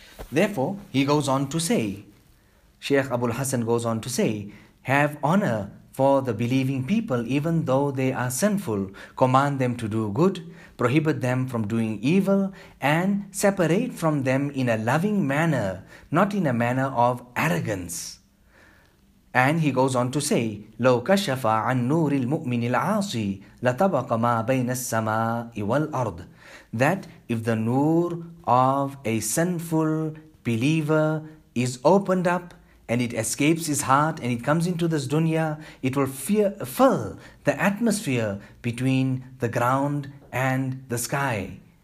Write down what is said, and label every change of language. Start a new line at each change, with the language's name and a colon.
English: Therefore, he goes on to say, Shaykh Abul Hasan goes on to say, have honor for the believing people even though they are sinful. Command them to do good, prohibit them from doing evil, and separate from them in a loving manner, not in a manner of arrogance. And he goes on to say,
Arabic: لو كشف عن نور المؤمن العاصي لطبق ما بين السماء والأرض.
English: That if the noor of a sinful believer is opened up and it escapes his heart and it comes into this dunya, it will fill the atmosphere between the ground and the sky.